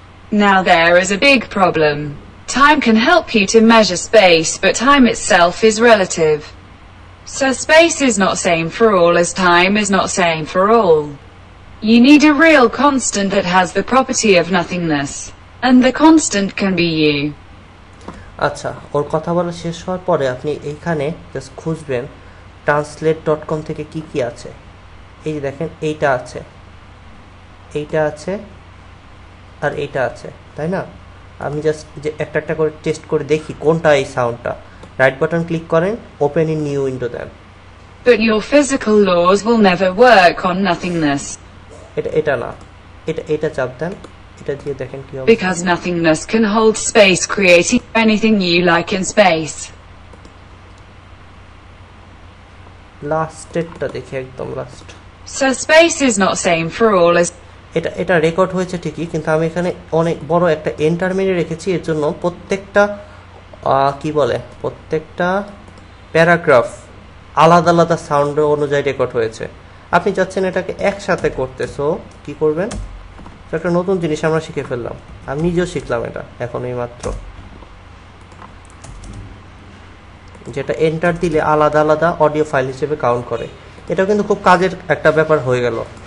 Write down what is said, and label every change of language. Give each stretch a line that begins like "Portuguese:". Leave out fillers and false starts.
English: Now there is a big problem. Time can help you to measure space, but time itself is relative. So space is not same for all as time is not same for all. You need a real constant that has the property of nothingness. And the constant can be you.
Bangla: আচ্ছা, ওর কথা বলা শেষ হওয়ার পরে আপনি এইখানে just খুঁজবেন translate.com থেকে কি কি আছে। এই যে দেখেন, এইটা আছে, এইটা আছে, আর এইটা আছে, তাই না? আমি জাস্ট যে একটা একটা করে টেস্ট করে দেখি কোনটা এই সাউন্ডটা। রাইট বাটন ক্লিক করেন, open in new window then.
English: But your physical laws will never work on nothingness.
Bangla: এটা এটা না, এটা এটা চাপ দেন, এটা দিয়ে দেখেন কি হবে।
English: Because nothingness can hold space creating anything you like in space.
Bangla: Last এটা দেখি, একদম last.
English: So space is not same for all as
Bangla: এটা এটা রেকর্ড হয়েছে ঠিকই, কিন্তু আমি এখানে অনেক বড় একটা এন্টার মেরে রেখেছি, এর জন্য প্রত্যেকটা কি বলে প্রত্যেকটা প্যারাগ্রাফ আলাদা আলাদা সাউন্ড অনুযায়ী রেকর্ড হয়েছে। আপনি চাচ্ছেন এটাকে একসাথে করতে, সো কি করবেন, একটা নতুন জিনিস আমরা শিখে ফেললাম, আমি নিজেও শিখলাম এটা এখন এই মাত্র, যেটা এন্টার দিলে আলাদা আলাদা অডিও ফাইল হিসেবে কাউন্ট করে, এটা কিন্তু খুব কাজের একটা ব্যাপার হয়ে গেল।